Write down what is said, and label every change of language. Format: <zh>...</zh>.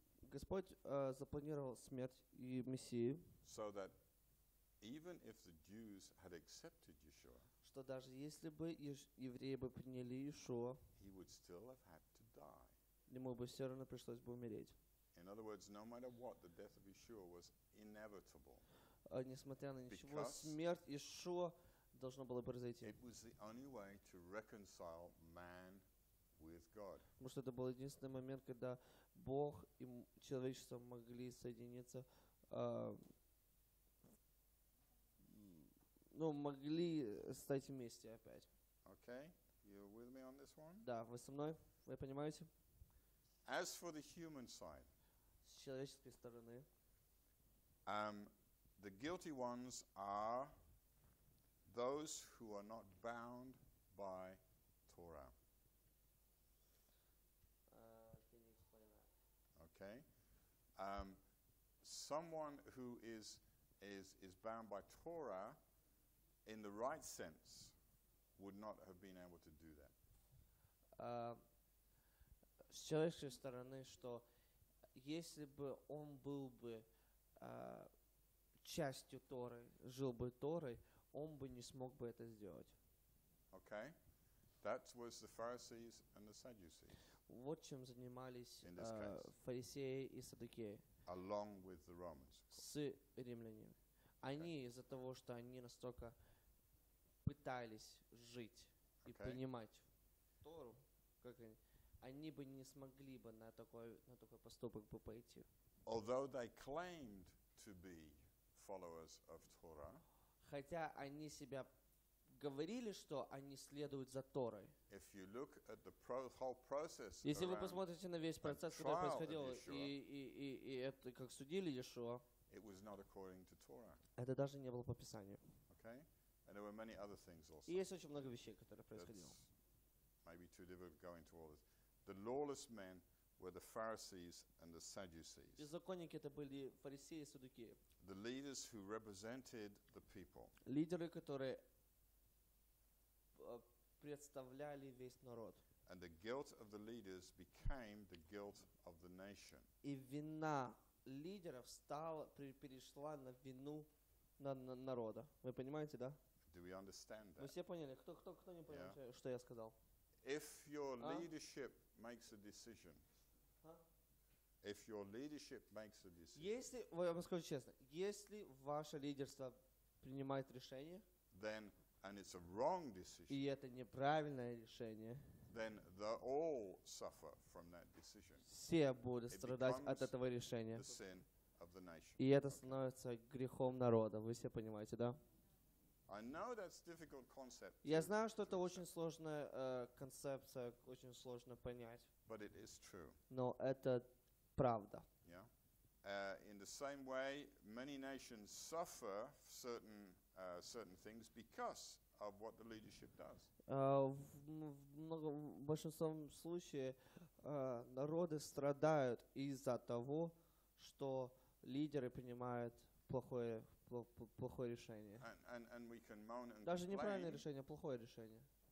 <ru>Господь запланировал смерть и Мессии,</ru> <en>so that even if the Jews had accepted Yeshua,</en> <ru>что даже если бы евреи бы приняли Иешуа,</ru> <en>he would still have had to die.</en> <ru>Ему бы все равно пришлось бы умереть.</ru> <en>In other words, no matter what, the death of Yeshua was inevitable.</en> <ru>Несмотря на ничего, смерть Иешуа должна была произойти.</ru> <en>It was the only way to reconcile man with God.</en> <ru>Потому что это был единственный момент, когда Бог и человечество могли соединиться. Ну, могли стать вместе опять.</ru> <en>Okay, you're with me on this one?</en> <ru>Да, вы со мной, вы понимаете?</ru> <en>As for the human side,</en> <ru>с человеческой стороны,</ru> <en>the guilty ones are those who are not bound by Torah. Can you explain that? Okay. Someone who is bound by Torah in the right sense, would not have been able to do that.</en> <ru>С человеческой стороны, что если бы он был бы частью Торы, жил бы Торой, он бы не смог бы это сделать.</ru> <en>Okay. That was the Pharisees and the Sadducees.</en> <ru>Вот чем занимались фарисеи и саддукеи.</ru> <en>Along with the Romans.</en> <ru>С римлянами. Они из-за того, что они настолько пытались жить и принимать Тору, как они бы не смогли бы на такой поступок бы пойти.</ru> <en>Although they claimed to be followers of Torah.</en> <ru>Хотя они себя говорили, что они следуют за Торой.</ru> <en>If you look at the whole process.</en> <ru>Если вы посмотрите на весь процесс, который происходил и это как судили Иешуа.</ru> <en>It was not according to Torah.</en> <ru>Это даже не было по Писанию.</ru> <en>Okay. And there were many other things also.</en> <ru>И есть очень много вещей, которые происходили.</ru> <en>Maybe too difficult to go into all this. The lawless men were the Pharisees and the Sadducees.</en> <ru>Беззаконники это были фарисеи и саддукеи.</ru> <en>The leaders who represented the people.</en> <ru>Лидеры, которые представляли весь народ.</ru> <en>And the guilt of the leaders became the guilt of the nation.</en> <ru>И вина лидеров стала перешла на вину на народа. Вы понимаете, да?</ru> <en>Do we understand that?</en> <ru>Вы все поняли? Кто не понял, что я сказал?</ru> <en>If your leadership makes a decision. If your leadership makes a decision.</en> <ru>Если, я вам скажу честно, если ваше лидерство принимает решение,</ru> <en>then and it's a wrong decision.</en> <ru>И это неправильное решение.</ru> <en>Then they all suffer from that decision.</en> <ru>Все будут страдать от этого решения.</ru> <en>The sin of the nation.</en> <ru>И это становится грехом народа. Вы все понимаете, да?</ru> <en>I know that's a difficult concept.</en> <ru>Я знаю, что это очень сложная концепция, очень сложно понять.</ru> <en>But it is true.</en> <ru>Но это правда.</ru> <en>Yeah. In the same way, many nations suffer certain things because of what the leadership does.</en> <ru>В большинстве случаев народы страдают из-за того, что лидеры принимают плохое решение.</ru> <en>And we can moan and</en> <ru>даже</ru> <en>complain,</en> <ru>неправильное решение, плохое решение.</ru>